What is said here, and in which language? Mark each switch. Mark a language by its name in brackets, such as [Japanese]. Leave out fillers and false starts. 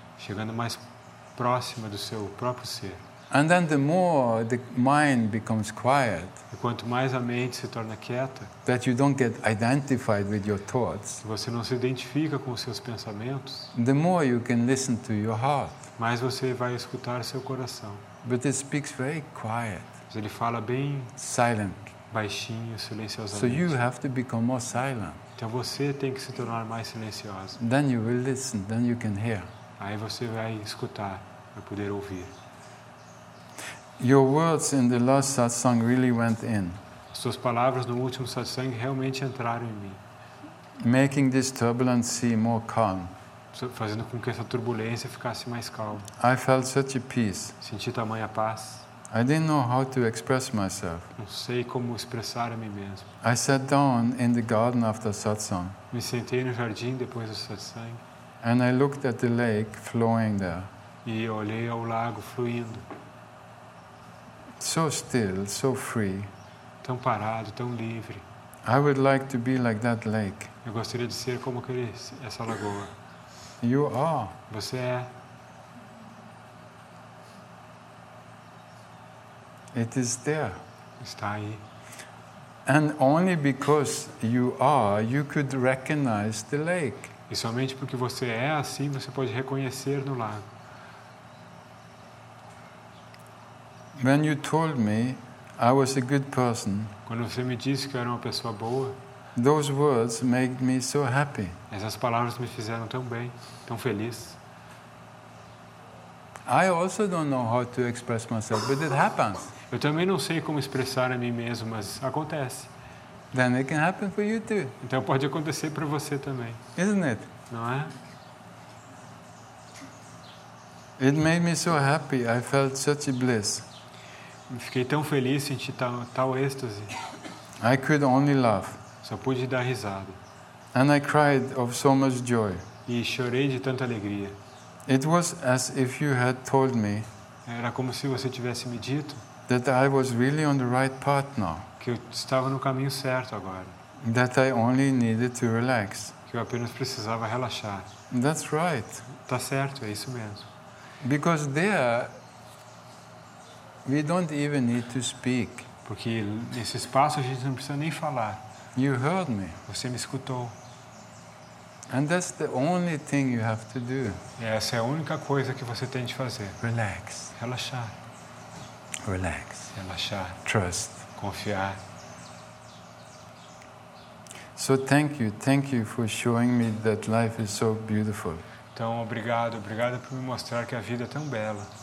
[Portuguese] Chegando mais próxima do seu próprio ser. [English] And then the more the mind becomes quiet, [Portuguese] e quanto mais a mente se torna quieta, [English] that you don't get identified with your thoughts, [Portuguese] você não se identifica com os seus pensamentos, [English] the more you can listen to your heart, [Portuguese] mais você vai escutar seu coração. [English] But it speaks very quiet, [Portuguese] mas ele fala bem [English] silent, [Portuguese] baixinho, silenciosamente. [English] So you have to become more silent. [Portuguese] Então você tem que se tornar mais silencioso. [English] Then you will listen, then you can hear. [Portuguese] Aí você vai escutar, vai poder ouvir. [English] Your words in the last satsang really went in. [Portuguese] Suas palavras no último satsang realmente entraram em mim. [English] Making this turbulent sea more calm. [Portuguese] Fazendo com que essa turbulência ficasse mais calma. [English] I felt such a peace. [Portuguese] Senti tamanha paz. [English] I didn't know how to express myself. [Portuguese] Não sei como expressar a mim mesmo. [English] I sat down in the garden after satsang. [Portuguese] Me sentei no jardim depois do satsang. [English] And I looked at the lake flowing there. [Portuguese] E olhei ao lago fluindo. [English] So still, so free. [Portuguese] Tão parado, tão livre. [English] I would like to be like that lake. [Portuguese] Eu gostaria de ser como aquele, essa lagoa. [English] You are. [Portuguese] Você é. [English] It is there. [Portuguese] Está aí. [English] And only because you are, you could recognize the lake. [Portuguese] E somente porque você é assim, você pode reconhecer no lago. [English] When you told me I was a good person, [Portuguese] quando você me disse que eu era uma pessoa boa, [English] those words made me so happy. [Portuguese] Essas palavras me fizeram tão bem, tão feliz. [English] I also don't know how to express myself, but it happens. [Portuguese] Eu também não sei como expressar a mim mesmo, mas acontece. [English] Then it can happen for you too. [Portuguese] Então pode acontecer para você também. [English] Isn't it? [Portuguese] Não é? [English] It made me so happy. I felt such a bliss. [Portuguese] Fiquei tão feliz, senti tal êxtase. [English] I could only laugh. [Portuguese] Só pude dar risada. [English] And I cried of so much joy. [Portuguese] E chorei de tanta alegria. [English] It was as if you had told me. [Portuguese] Era como se você tivesse me dito. [English] That I was really on the right path now. [Portuguese] Que eu estava no caminho certo agora. [English] That I only needed to relax. [Portuguese] Que eu apenas precisava relaxar. [English] That's right. [Portuguese] Tá certo, é isso mesmo. [English] Because there, we don't even need to speak. [Portuguese] Porque nesse espaço a gente não precisa nem falar. [English] You heard me. [Portuguese] Você me escutou. [English] And that's the only thing you have to do. [Portuguese] Essa é a única coisa que você tem de fazer. [English] Relax. [Portuguese] Relaxar. [English] Relax. [Portuguese] Relaxar. [English] Trust. [Portuguese] Confiar. [English] So thank you for showing me that life is so beautiful. [Portuguese] Então obrigado, obrigado por me mostrar que a vida é tão bela.